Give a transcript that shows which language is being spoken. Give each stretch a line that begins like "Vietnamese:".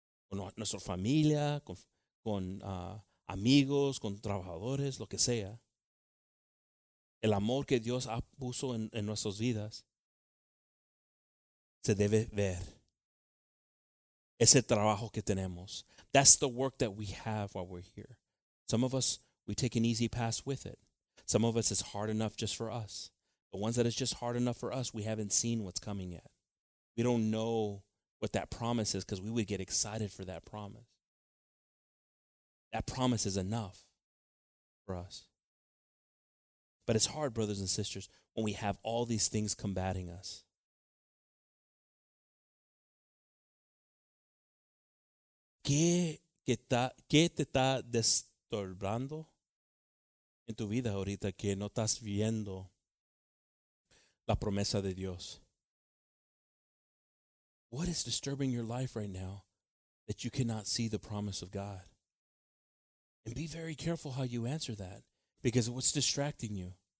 Spanish: Con nuestra familia, con amigos, con trabajadores, lo que sea. El amor que Dios ha puesto en nuestras vidas se debe ver. Ese trabajo que tenemos.
English: That's the work that we have while we're here. Some of us, we take an easy pass with it. Some of us, it's hard enough just for us. The ones that it's just hard enough for us, we haven't seen what's coming yet. We don't know what that promise is, because we would get excited for that promise. That promise is enough for us. But it's hard, brothers and sisters, when we have all these things combating us.
Spanish: ¿Qué te está destorbando en tu vida ahorita que no estás viendo la promesa de Dios?
English: What is disturbing your life right now that you cannot see the promise of God? And be very careful how you answer that, because what's distracting you?